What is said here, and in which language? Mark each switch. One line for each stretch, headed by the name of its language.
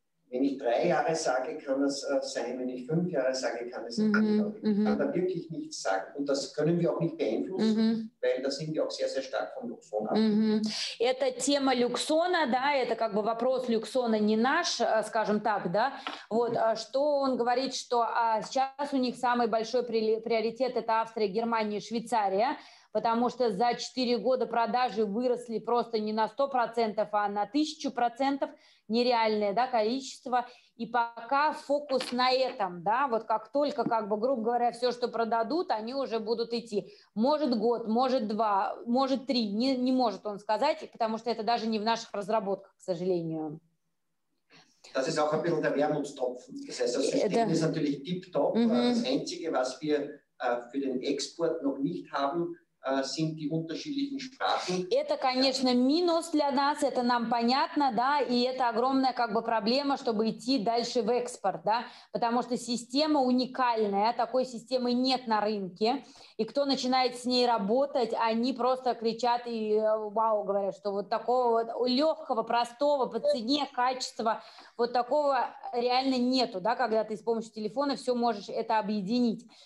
German: Wenn ich 3 Jahre sage, kann das sein. Wenn ich 5 Jahre sage, kann es sein. Ich kann da wirklich nichts sagen. Und das können wir auch nicht beeinflussen, weil da sind wir auch sehr, sehr stark von Luxon ab.
Russian: Это тема Люксона, да, это как бы вопрос Люксона, не наш, скажем так, да, вот, что он говорит, что сейчас у них самый большой приоритет это Австрия, Германия, Швейцария, потому что за 4 года продажи выросли просто не на 100%, а на 1000%, нереальное, да, количество, и пока фокус на этом, да, вот как только, как бы, грубо говоря, все, что продадут, они уже будут идти, может год, может 2, может 3, не может он сказать, потому что это даже не в наших разработках, к сожалению.
German: Das ist auch ein bisschen der Wermutstropfen. Das heißt, das System ist natürlich tip-top. Das Einzige, was wir für den Export noch nicht haben, sind die unterschiedlichen Sprachen.
Russian: Это, конечно, минус для нас, это нам понятно, да, и это огромная как бы проблема, чтобы идти дальше в экспорт, да, потому что система уникальная, такой системы нет на рынке, и кто начинает с ней работать, они просто кричат и вау, говорят, что вот такого вот легкого, простого, по цене, качества, вот такого реально нету, да, когда ты с помощью телефона все можешь это объединить.